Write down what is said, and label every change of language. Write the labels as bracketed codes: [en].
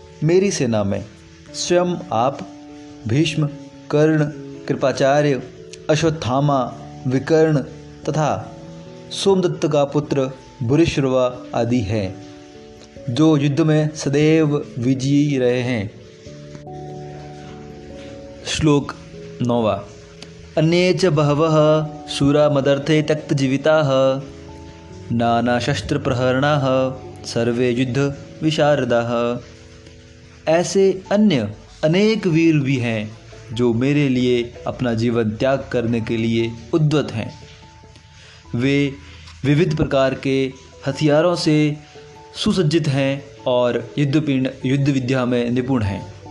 [hi] मेरी सेना में स्वयं आप, भीष्म, कर्ण, कृपाचार्य, अश्वत्थामा, विकर्ण तथा सोमदत्त का पुत्र भूरिश्रवा आदि हैं, जो युद्ध में सदैव विजयी रहे हैं। श्लोक नौवा। [sa] अन्ये च बहवः शूरा मदर्थे त्यक्त जीविताः नाना शस्त्र प्रहरणाः सर्वे युद्ध विशारदाः। [hi] ऐसे अन्य अनेक वीर भी हैं जो मेरे लिए अपना जीवन त्याग करने के लिए उद्वत हैं। वे विविध प्रकार के हथियारों से सुसज्जित हैं और युद्धपिंड युद्ध विद्या में निपुण हैं।